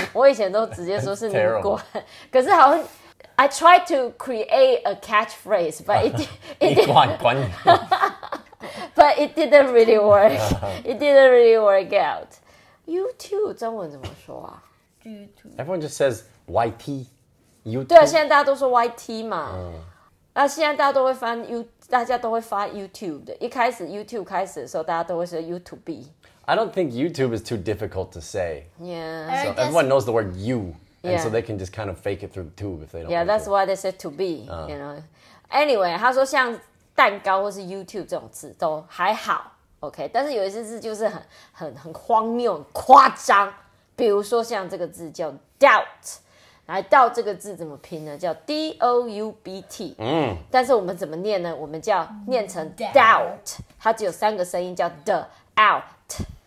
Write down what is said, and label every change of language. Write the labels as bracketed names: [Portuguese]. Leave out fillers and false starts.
[Chinese] 我以前都直接说是泥管，可是好像。 [English] I tried to create a catchphrase, but it didn't really work. It didn't really work out. YouTube, [Chinese] 中文怎么说啊 [English] ？YouTube. Everyone just says YT. YouTube. [Chinese] 对啊，现在大家都说 YT 嘛。那现在大家都会翻 U， 大家都会发 YouTube 的。一开始 YouTube 开始的时候，大家都会说 YouTube。 [English] I don't think YouTube is too difficult to say. Yeah. So everyone knows the word you. And yeah. So they can just kind of fake it through the tube if they don't. Yeah, that's why they said to be, you know. [Chinese] Anyway, 他说像蛋糕或是 YouTube 这种字都还好 ，OK。但是有一些字就是很荒谬、很夸张。比如说像这个字叫 doubt， 来 doubt 这个字怎么拼呢？叫 D O U B T。嗯。但是我们怎么念呢？我们叫念成 doubt， 它只有三个声音，叫 d out。